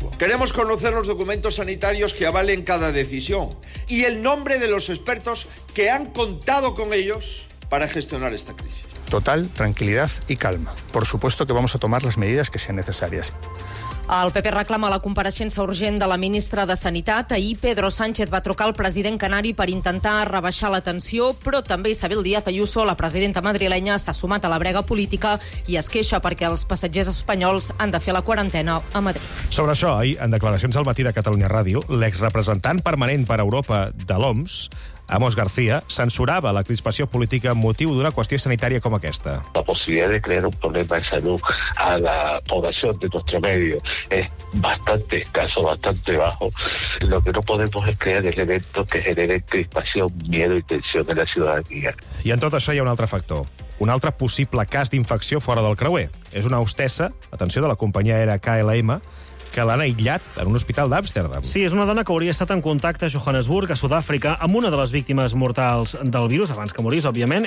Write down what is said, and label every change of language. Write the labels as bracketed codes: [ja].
[es] Queremos conocer los documentos sanitarios que avalen cada decisión y el nombre de los expertos que han contado con ellos para gestionar esta crisis. Total tranquilidad y calma. Por supuesto que vamos a tomar las medidas que sean necesarias. [ca] El PP reclama la compareixença urgent de la ministra de Sanitat. Ahir, Pedro Sánchez va trucar al president canari per intentar rebaixar la tensió, però també Isabel Díaz Ayuso, la presidenta madrilenya, s'ha sumat a la brega política i es queixa perquè els passatgers espanyols han de fer la quarantena a Madrid. Sobre això, ahir, en declaracions al Matí de Catalunya Ràdio, l'exrepresentant permanent per Europa de l'OMS, Amos García, censurava la crispació política amb motiu d'una qüestió sanitària com aquesta. La possibilitat de crear un problema de salut a la població de nostre [es] medio és bastante escaso, bastante bajo. Lo que no podemos es crear elementos que generen crispación, miedo y tensión en la ciudadanía. [ca] I en tot això hi ha un altre factor. Un altre possible cas d'infecció fora del creuer. És una hostessa, atenció, de la companyia aèria KLM, que l'han aïllat en un hospital d'Amsterdam. Sí, és una dona que hauria estat en contacte a Johannesburg, a Sud-àfrica, amb una de les víctimes mortals del virus, abans que morís, òbviament.